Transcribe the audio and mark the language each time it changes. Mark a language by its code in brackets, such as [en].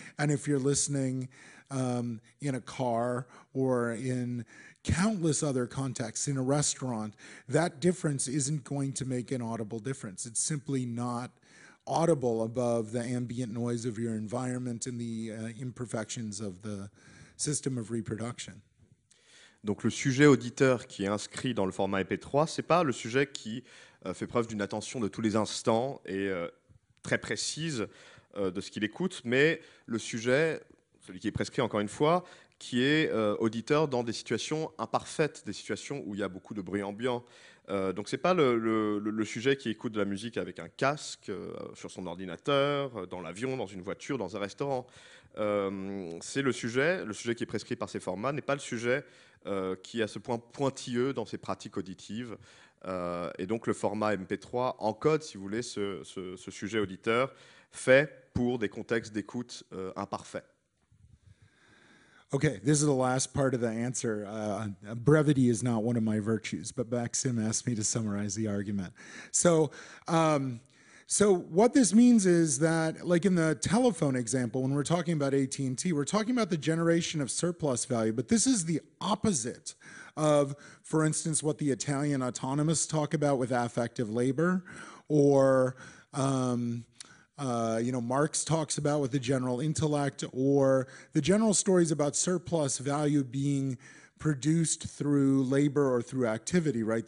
[en] And if you're listening in a car or in countless other contexts, in a restaurant, that difference isn't going to make an audible difference. It's simply not audible above the ambient noise of your environment and the imperfections of the system of reproduction. [fr] Donc le sujet auditeur qui est inscrit dans le format MP3, c'est pas le sujet qui fait preuve d'une attention de tous les instants et très précise de ce qu'il écoute, mais le sujet, celui qui est prescrit encore une fois, qui est auditeur dans des situations imparfaites, des situations où il y a beaucoup de bruit ambiant. Donc c'est pas le sujet qui écoute de la musique avec un casque, sur son ordinateur, dans l'avion, dans une voiture, dans un restaurant. C'est le sujet qui est prescrit par ces formats n'est pas le sujet qui est à ce point pointilleux dans ses pratiques auditives. Et donc le format MP3 encode, si vous voulez, ce sujet auditeur fait pour des contextes d'écoute imparfaits. [en] Okay, this is the last part of the answer. Brevity is not one of my virtues, but Maxim asked me to summarize the argument. So what this means is that, like in the telephone example, when we're talking about AT&T, we're talking about the generation of surplus value, but this is the opposite of, for instance, what the Italian autonomists talk about with affective labor, or Marx talks about with the general intellect, or the general stories about surplus value being produced through labor or through activity, right?